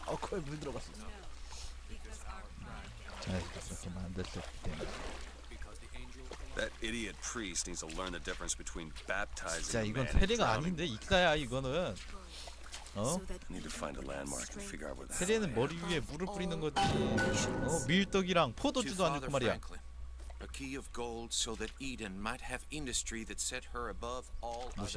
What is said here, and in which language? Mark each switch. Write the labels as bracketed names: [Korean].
[Korean] 물 들어갔어. 자연스럽게 만들었기 때문에. [English] That idiot priest needs to learn the difference between baptizing. [Korean] 진짜 이건 세례가 아닌데 익사야 이거는. 어? [English] Need to find a landmark and figure out where. [Korean] 세례는 머리 위에 물을 뿌리는 거지. 어, 밀떡이랑 포도주도 아니고 말이야. [English] A key of gold so that Eden might have industry that set her above all others.